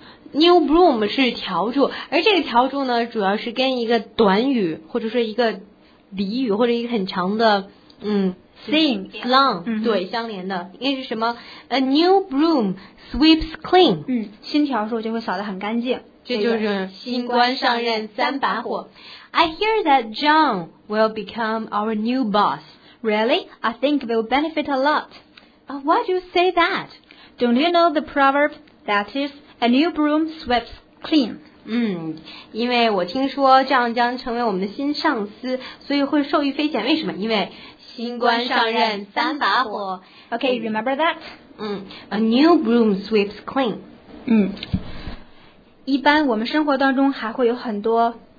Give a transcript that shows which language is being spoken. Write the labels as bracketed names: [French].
[Chinese] New broom 是笤帚，而这个笤帚呢主要是跟一个短语或者说一个俚语或者一个很长的 [English] same [Chinese] slang、对相连的，应该是什么 [English] a new broom sweeps clean， [Chinese] 新笤帚就会扫得很干净，这就是新官上任三把火。 [English] I hear that John will become our new boss. Really? I think it will benefit a lot. Why do you say that? Don't you know the proverb that isA new broom sweeps clean. [Chinese] 因为我听说这样将成为我们的新上司，所以会受益匪浅。为什么？因为新官上任三把火。 [English] Okay, remember that? A new broom sweeps clean. [Chinese] 一般我们生活当中还会有很多